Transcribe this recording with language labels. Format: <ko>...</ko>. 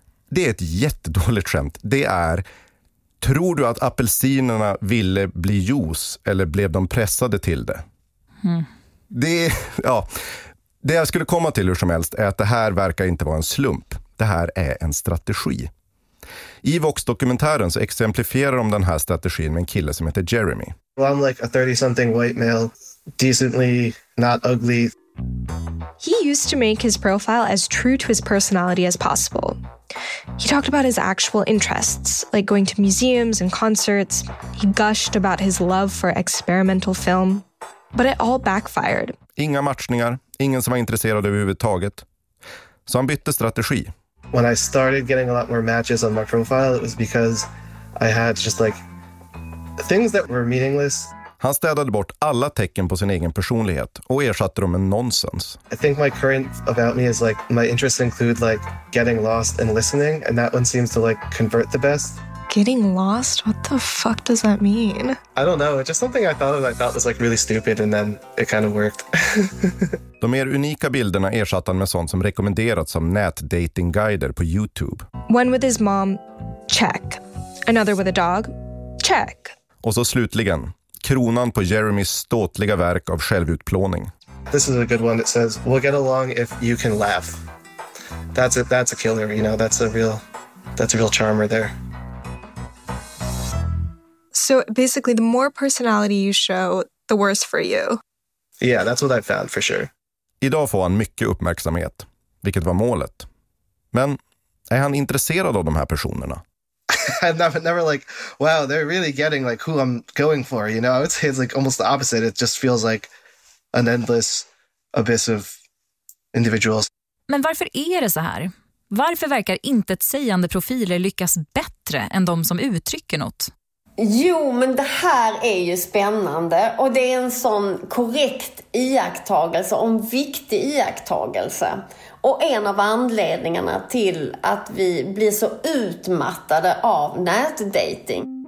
<sv>Det är ett jättedåligt skämt. Det är, tror du att apelsinerna ville bli juice eller blev de pressade till det? Det jag skulle komma till hur som helst är att det här verkar inte vara en slump. Det här är en strategi. I Vox-dokumentären så exemplifierar de den här strategin med en kille som heter Jeremy.</sv> <en>Well, I'm like a 30-something white male, decently not ugly. He used to make his profile as true to his personality as possible. He talked about his actual interests, like going to museums and concerts. He gushed about his love for experimental film. But it all backfired.</en> <sv>Inga matchningar, ingen som var intresserad överhuvudtaget. Så han bytte strategi.</sv> <en>When I started getting a lot more matches on my profile, it was because I had just like things that were meaningless.</en> <sv>Han städade bort alla tecken på sin egen personlighet och ersatte dem med nonsens.</sv> <en>I think my current about me is like my interests include like getting lost and listening, and that one seems to like convert the best. Getting lost? What the fuck does that mean? I don't know. It's just something I thought of. I thought was like really stupid, and then it kind of worked.</en> <sv>De mer unika bilderna ersatte han med sånt som rekommenderats som nätdatingguider på YouTube.</sv> <en>One with his mom, check. Another with a dog, check.</en> <sv>Och så slutligen, kronan på Jeremys ståtliga verk av självutplåning.</sv> <en>This is a good one. It says, "We'll get along if you can laugh." That's a killer. You know, that's a real charmer there. So basically, the more personality you show, the worse for you. Yeah, that's what I found for sure.</en> <sv>Idag får han mycket uppmärksamhet, vilket var målet. Men är han intresserad av de här personerna?</sv> <en>I've never like, wow, they're really getting like who I'm going for, you know? It's like almost the opposite. It just feels like an endless abyss of individuals.</en> <sv>Men varför är det så här? Varför verkar inte ett sägande profiler lyckas bättre än de som uttrycker något? Jo, men det här är ju spännande och det är en sån korrekt iakttagelse och en viktig iakttagelse. Och en av anledningarna till att vi blir så utmattade av nätdating.</sv>